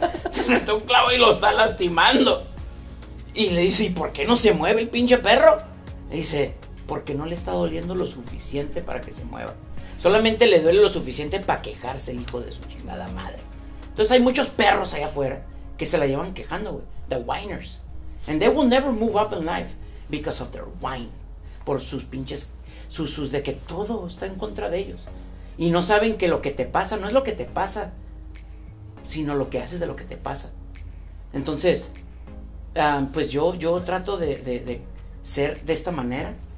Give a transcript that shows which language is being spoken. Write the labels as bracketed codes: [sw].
[es] Se sentó en un clavo y lo está lastimando. Y le dice, ¿y por qué no se mueve el pinche perro? Le dice, porque no le está doliendo lo suficiente para que se mueva. Solamente le duele lo suficiente para quejarse el hijo de su chingada madre. Entonces hay muchos perros allá afuera que se la llevan quejando, güey. [en] The whiners. And they will never move up in life because of their whine. [es] Por sus pinches, sus de que todo está en contra de ellos. Y no saben que lo que te pasa no es lo que te pasa, sino lo que haces de lo que te pasa. Entonces, pues yo trato de ser de esta manera.